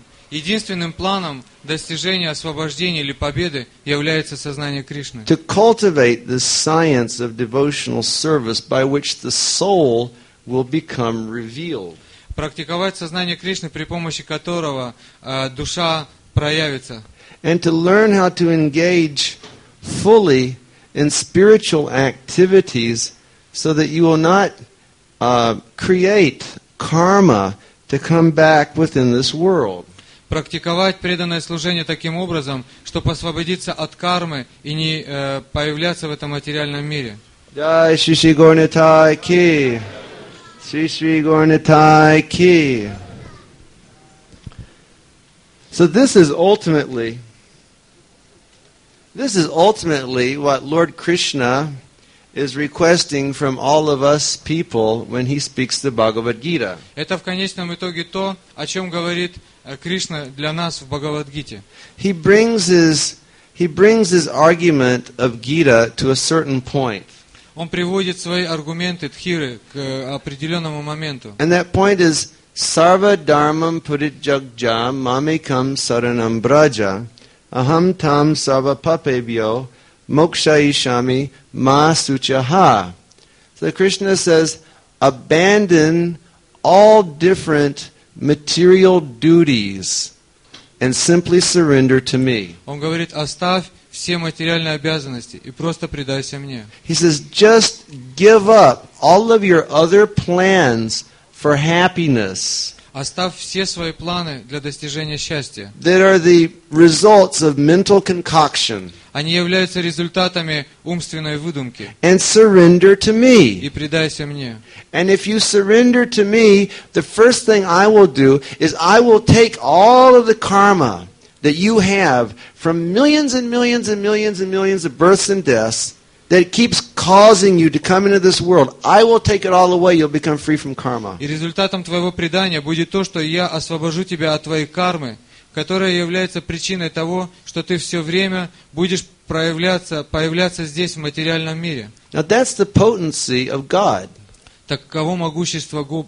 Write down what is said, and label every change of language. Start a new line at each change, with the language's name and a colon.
Russian: Единственным планом достижения освобождения или победы является сознание Кришны.
English: To cultivate the science of devotional service by which the soul will become revealed.
Russian: Практиковать сознание Кришны, при помощи которого душа проявится.
English: And to learn how to engage fully in spiritual activities so that you will not create karma to come back within this world.
Russian: Практиковать преданное служение таким образом, чтобы освободиться от кармы и не появляться в этом материальном мире.
Sanskrit: Jai Shri Shri Gornitai Ki. Shri Shri Gornitai Ki.
English: So this is ultimately what Lord Krishna is requesting from all of us people when he speaks the Bhagavad Gita.
Russian: Это в конечном итоге то, о чём говорит Кришна для нас в Бхагавад-гите.
English: He brings his argument of Gita to a certain point.
Russian: Он приводит свои аргументы дхиры к определённому моменту.
English: And that point is
Sanskrit: sarva dharmam purit jagjam mamekam saranam braja aham tam sarva papebhyo moksha ishami ma suchaha.
English: So Krishna says, abandon all different material duties and simply surrender to me.
Russian: Он говорит: оставь все материальные обязанности и просто предайся мне.
English: He says, just give up all of your other plans for happiness.
Russian: оставь все свои планы для достижения счастья.
English: They are the results of mental concoction.
Russian: Они являются результатами умственной выдумки.
English: And surrender to me.
Russian: И предайся мне.
English: And if you surrender to me, the first thing I will do is I will take all of the karma that you have from millions and millions and millions and millions of births and deaths that keeps causing you to come into this world. I will take it all away. You'll become free from karma.
Russian: И результатом твоего предания будет то, что я освобожу тебя от твоей кармы, которая является причиной того, что ты все время будешь появляться здесь, в материальном мире.
English: Now that's the potency of God.
Russian: Таково могущество Бога.